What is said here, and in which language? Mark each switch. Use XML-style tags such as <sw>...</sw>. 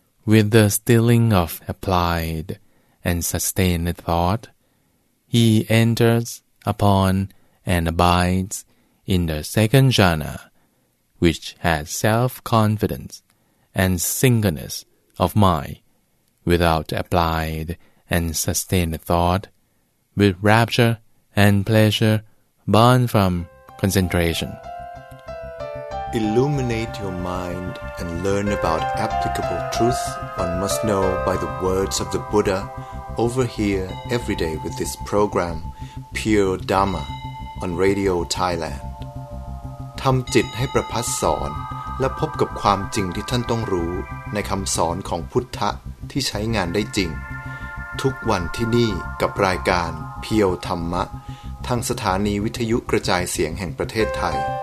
<en>With the stilling of applied and sustained thought he enters upon and abidesIn the second jhana, which has self-confidence and singleness of mind, without applied and sustained thought, with rapture and pleasure born from concentration. Illuminate your mind and learn about applicable truth one must know by the words of the Buddha over here every day with this program, Pure Dharma, on Radio Thailand.</en> <th>ทำจิตให้ประพัสสอนและพบกับความจริงที่ท่านต้องรู้ในคำสอนของพุทธะที่ใช้งานได้จริงทุกวันที่นี่กับรายการเพียวธรรมะทางสถานีวิทยุกระจายเสียงแห่งประเทศไทย</th>